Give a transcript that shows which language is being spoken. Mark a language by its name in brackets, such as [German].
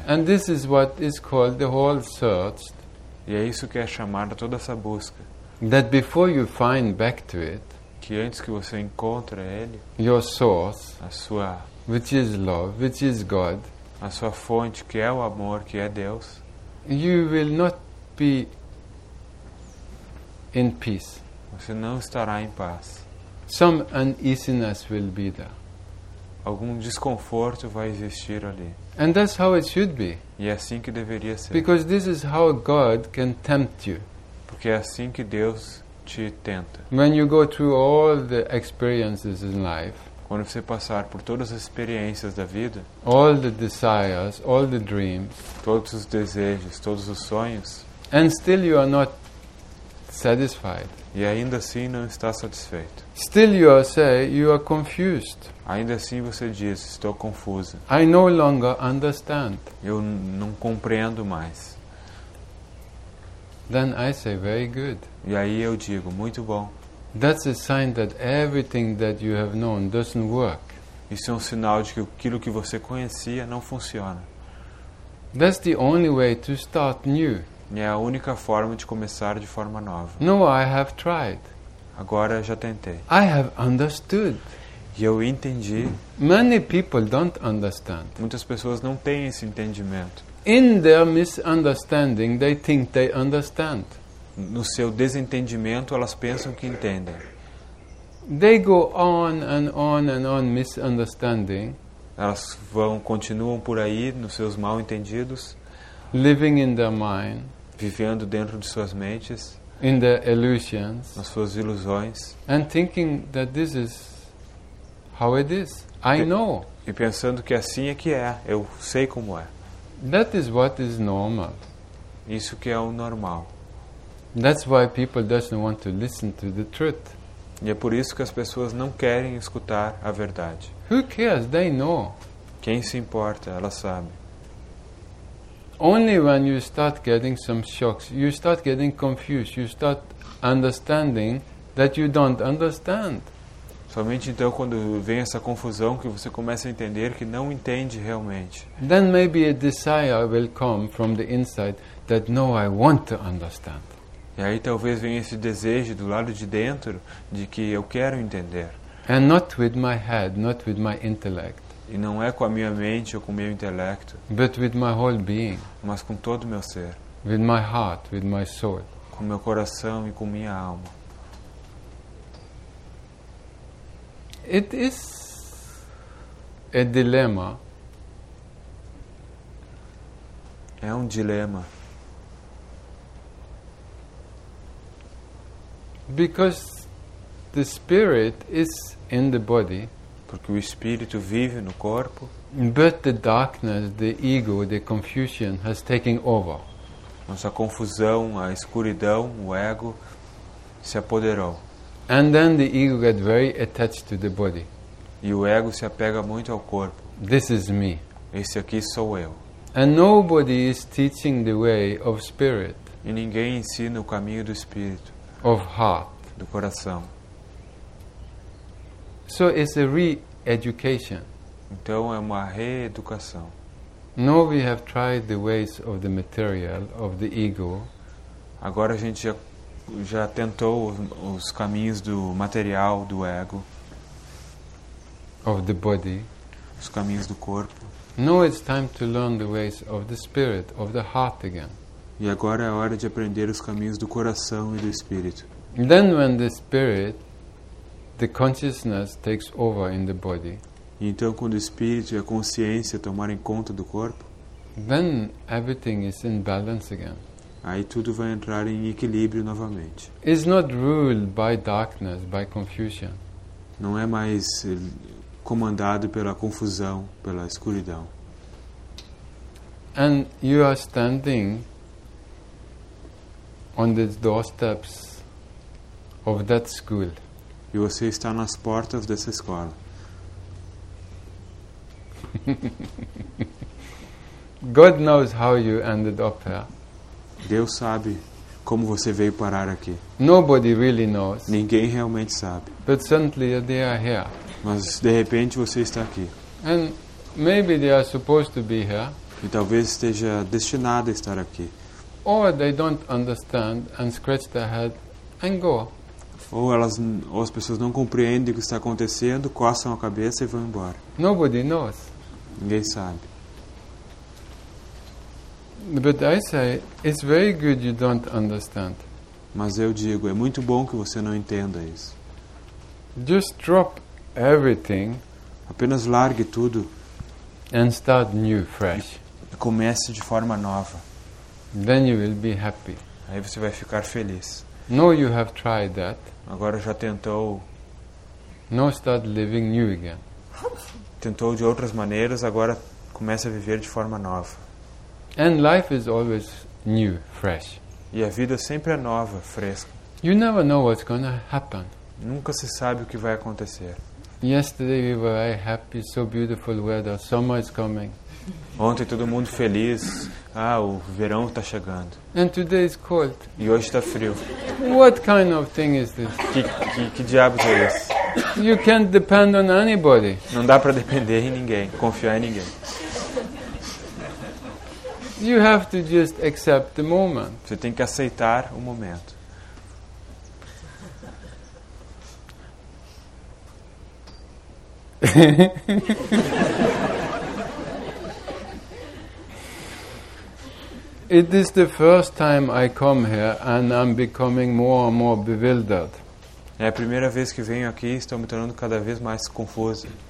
[English] And this is what is called the whole search. [Portuguese] E é isso que é chamada toda essa busca. [English] That before you find back to it, [Portuguese] que antes que você encontre ele, [English] your source, [Portuguese] a sua, [English] which is love, which is God, [Portuguese] a sua fonte que é o amor, que é Deus, [English] you will not be in peace. [Portuguese] Você não estará em paz. [English] Some uneasiness will be there. [Portuguese] Algum desconforto vai existir ali. [English] And that's how it should be. [Portuguese] E é assim que deveria ser. [English] Because this is how God can tempt you. [Portuguese] Porque é assim que Deus te tenta. [English] When you go through all the experiences in life, [Portuguese] quando você passar por todas as experiências da vida, [English] all the desires, all the dreams, [Portuguese] todos os desejos, todos os sonhos, [English] and still you are not satisfied. [Portuguese] E ainda assim não está satisfeito. [English] Still you say you are confused. [Portuguese] Ainda assim você diz, estou confuso. [English] I no longer understand. [Portuguese] Eu não compreendo mais. [English] Then I say very good. [Portuguese] E aí eu digo, muito bom. [English] That's a sign that everything that you have known doesn't work. [Portuguese] Isso é um sinal de que aquilo que você conhecia não funciona. [English] That's the only way to start new. [Portuguese] É a única forma de começar de forma nova. [English] No, I have tried. [Portuguese] Agora já tentei. [English] I have understood. [Portuguese] E eu entendi. [English] Many people don't understand. [Portuguese] Muitas pessoas não têm esse entendimento. [English] In their misunderstanding, they think they understand. [Portuguese] No seu desentendimento, elas pensam que entendem. [English] They go on and on and on misunderstanding. [Portuguese] Elas vão continuam por aí nos seus mal-entendidos. [English] Living in their mind, [Portuguese] vivendo dentro de suas mentes, [English] in their illusions, [Portuguese] nas suas ilusões, [English] and thinking that this is how it is. I know. [Portuguese] E pensando que assim é que é. Eu sei como é. [English] That is what is normal. [Portuguese] Isso que é o normal. [English] That's why people doesn't want to listen to the truth. [Portuguese] E é por isso que as pessoas não querem escutar a verdade. [English] Who cares? They know. [Portuguese] Quem se importa? Elas sabem. [English] Only when you start getting some shocks, you start getting confused, you start understanding that you don't understand. [Portuguese] Somente então quando vem essa confusão que você começa a entender que não entende realmente. [English] Then maybe a desire will come from the inside that no, I want to understand. [Portuguese] E aí talvez venha esse desejo do lado de dentro de que eu quero entender. [English] And not with my head, not with my intellect. [Portuguese] E não é com a minha mente ou com o meu intelecto. [English] But with my whole being. [Portuguese] Mas com todo o meu ser. [English] With my heart, with my soul. [Portuguese] Com meu coração e com minha alma. [English] It is a dilemma. [Portuguese] É um dilema. [English] Because the spirit is in the body. [Portuguese] Porque o espírito vive no corpo. [English] But the darkness, the ego, the confusion has taken over. [Portuguese] Nossa confusão, a escuridão, o ego se apoderou. [English] And then the ego gets very attached to the body. [Portuguese] E o ego se apega muito ao corpo. [English] This is me. [Portuguese] Esse aqui sou eu. [English] And nobody is teaching the way of spirit. [Portuguese] E ninguém ensina o caminho do espírito. [English] Of heart. [Portuguese] Do coração. [English] So it's a re-education. [Portuguese] Então é uma reeducação. [English] Now we have tried the ways of the material, of the ego. [Portuguese] Agora a gente já tentou os caminhos do material, do ego. [English] of the body, [Portuguese] os caminhos do corpo. [English] Now it's time to learn the ways of the spirit, of the heart again. [Portuguese] E agora é a hora de aprender os caminhos do coração e do espírito. [English] And then when the spirit, the consciousness takes over in the body. [Portuguese] E então quando o espírito e a consciência tomarem conta do corpo, [English] then everything is in balance again. [Portuguese] Aí tudo vai entrar em equilíbrio novamente. [English] It's not ruled by darkness, by confusion. [Portuguese] Não é mais comandado pela confusão, pela escuridão. [English] And you are standing on the doorsteps of that school. [Portuguese] E você está nas portas dessa escola. [English] God knows how you ended up here. [Portuguese] Deus sabe como você veio parar aqui. [English] Nobody really knows. [Portuguese] Ninguém realmente sabe. [English] But suddenly they are here. [Portuguese] Mas de repente você está aqui. [English] And maybe they are supposed to be here. [Portuguese] E talvez esteja destinado a estar aqui. [English] Or they don't understand and scratch their head and go. [Portuguese] Ou as pessoas não compreendem o que está acontecendo, coçam a cabeça e vão embora. [English] Nobody knows. [Portuguese] Ninguém sabe. [English] But I say, it's very good you don't understand. [Portuguese] Mas eu digo, é muito bom que você não entenda isso. [English] Just drop everything. [Portuguese] Apenas largue tudo. [English] And start new, fresh. [Portuguese] E comece de forma nova. [English] Then you will be happy. [Portuguese] Aí você vai ficar feliz. [English] Now you have tried that. [Portuguese] Agora já tentou. [English] Now start living new again. [Portuguese] Tentou de outras maneiras, agora comece a viver de forma nova. [English] And life is always new, fresh. [Portuguese] E a vida sempre é nova, fresca. [English] You never know what's going to happen. [Portuguese] Nunca se sabe o que vai acontecer. [English] Yesterday we were very happy, so beautiful weather, summer is coming. [Portuguese] Ontem todo mundo feliz, o verão está chegando. [English] And today is cold. [Portuguese] E hoje está frio. [English] What kind of thing is this? [Portuguese] Que diabos é isso? [English] You can't depend on anybody. [Portuguese] Não dá para depender em ninguém, confiar em ninguém. [English] You have to just accept the moment. [Portuguese] Você tem que aceitar o momento. [English] It is the first time I come here and I'm becoming more and more bewildered. [Portuguese] É a primeira vez que venho aqui e estou me tornando cada vez mais confuso.